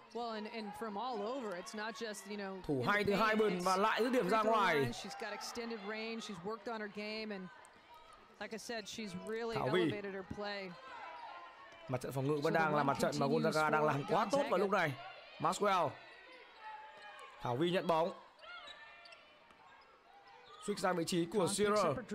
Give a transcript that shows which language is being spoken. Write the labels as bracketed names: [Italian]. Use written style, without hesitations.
[English] Well, and from all over, it's not just, you know, [Vietnamese] thủ hay từ hai bên và lại dứt điểm ra ngoài. [English] She's got extended range. She's worked on her game, and like I said, she's really elevated her play. [Vietnamese] Mặt trận phòng ngự vẫn đang là mặt trận mà Gonzaga đang làm quá tốt vào lúc này. Maxwell, Thảo Vy nhận bóng, switch sang vị trí của Searer.